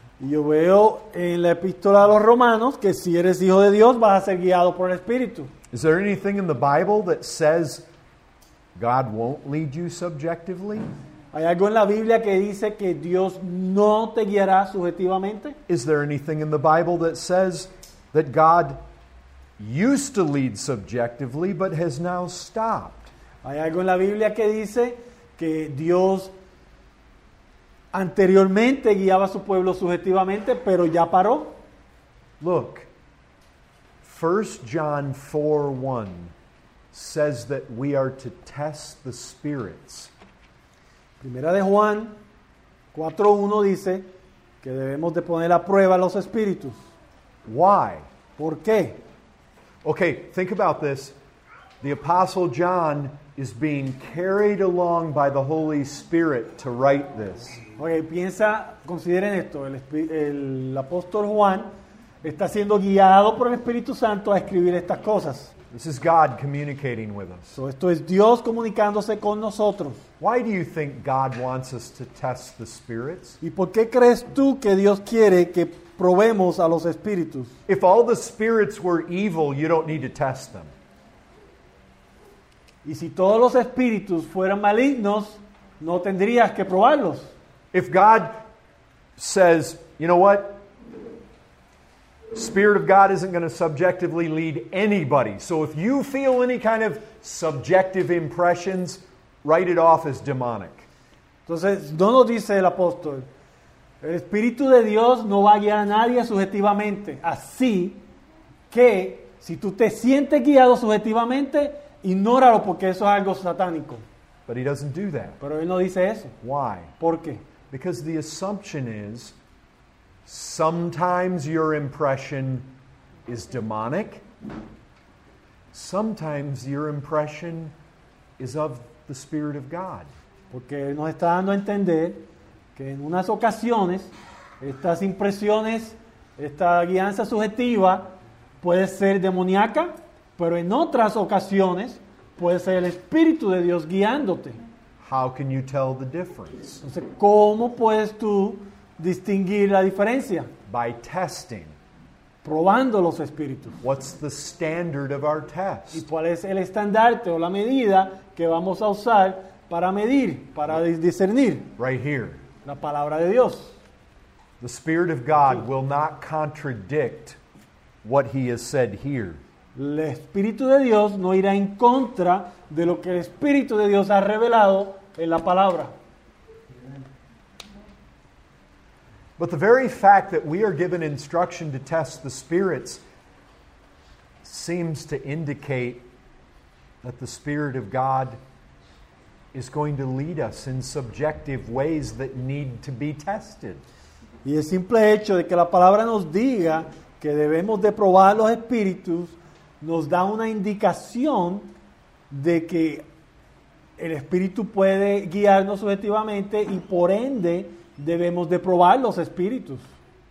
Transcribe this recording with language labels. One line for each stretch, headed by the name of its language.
Spanish: Y yo veo en la Epístola a los Romanos que si eres hijo de Dios vas a ser guiado por el Espíritu.
English: Is there anything in the Bible that says God won't lead you subjectively?
Spanish: ¿Hay algo en la Biblia que dice que Dios no te guiará subjetivamente?
English: Is there anything in the Bible that says that God used to lead subjectively but has now stopped?
Spanish: ¿Hay algo en la Biblia que dice que Dios anteriormente guiaba a su pueblo subjetivamente pero ya paró?
English: Look, 1 John 4:1 says that we are to test the spirits.
Spanish: Primera de Juan 4:1 dice que debemos de poner a prueba los espíritus.
English: Why?
Spanish: ¿Por qué?
English: Okay, think about this. The Apostle John is being carried along by the Holy Spirit to write this.
Spanish: Okay, piensa, consideren esto. El apóstol Juan está siendo guiado por el Espíritu Santo a escribir estas cosas.
English: This is God communicating with us.
Spanish: So esto es Dios comunicándose con nosotros.
English: Why do you think God wants us to test the spirits?
Spanish: ¿Y por qué crees tú que Dios quiere que probemos a los espíritus?
English: If all the spirits were evil, you don't need to test them.
Spanish: ¿Y si todos los espíritus fueran malignos, no tendrías que probarlos?
English: If God says, you know what? Spirit of God isn't going to subjectively lead anybody. So if you feel any kind of subjective impressions, write it off as demonic.
Spanish: Entonces, no nos dice el apóstol, el Espíritu de Dios no va a guiar a nadie subjetivamente. Así que, si tú te sientes guiado subjetivamente, ignóralo porque eso es algo satánico.
English: But he doesn't do that.
Spanish: Pero él no dice eso.
English: Why?
Spanish: ¿Por qué?
English: Because the assumption is, sometimes your impression is demonic. Sometimes your impression is of the Spirit of God.
Spanish: Porque nos está dando a entender que en unas ocasiones estas impresiones, esta guianza subjetiva puede ser demoníaca, pero en otras ocasiones puede ser el Espíritu de Dios guiándote.
English: How can you tell the difference?
Spanish: Entonces, ¿cómo puedes tú distinguir la diferencia?
English: By testing.
Spanish: Probando los espíritus.
English: What's the standard of our test?
Spanish: ¿Y cuál es el estandarte o la medida que vamos a usar para medir, para discernir?
English: Right here.
Spanish: La palabra de Dios.
English: The Spirit of God will not contradict what he has said here.
Spanish: El Espíritu de Dios no irá en contra de lo que el Espíritu de Dios ha revelado en la palabra.
English: But the very fact that we are given instruction to test the spirits seems to indicate that the Spirit of God is going to lead us in subjective ways that need to be tested.
Spanish: Y el simple hecho de que la palabra nos diga que debemos de probar los espíritus nos da una indicación de que el Espíritu puede guiarnos subjetivamente y por ende debemos de probar los espíritus.